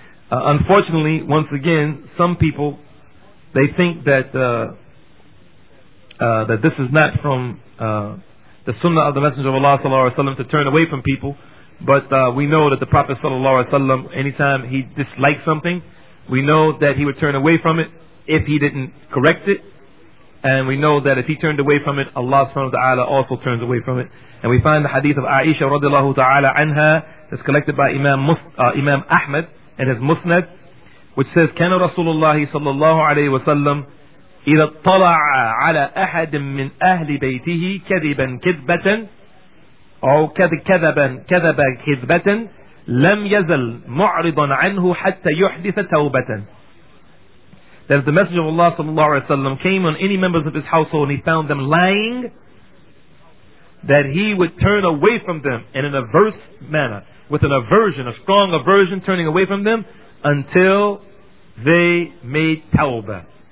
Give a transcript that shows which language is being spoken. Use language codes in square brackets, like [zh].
[en] Unfortunately, once again, some people, they think that this is not from the sunnah of the Messenger of Allah sallallahu alaihi wasallam to turn away from people, but we know that the Prophet sallallahu alaihi wasallam, anytime he disliked something, we know that he would turn away from it if he didn't correct it, and we know that if he turned away from it, Allah subhanahu wa ta'ala also turns away from it. And we find the hadith of Aisha radiallahu ta'ala anha that's collected by Imam Ahmad in his Musnad, which says, [ar] كان رسول الله صلى الله عليه وسلم إذا طلع على أحد من أهل بيته كذبا كذبة أو كذبا كذبا كذبة لم يزل معرضا عنه حتى يحدث توبة. [en] That if the Messenger of Allah صلى الله عليه وسلم came on any members of his household and he found them lying, that he would turn away from them in an averse manner, with an aversion, a strong aversion, turning away from them until they made tawbah.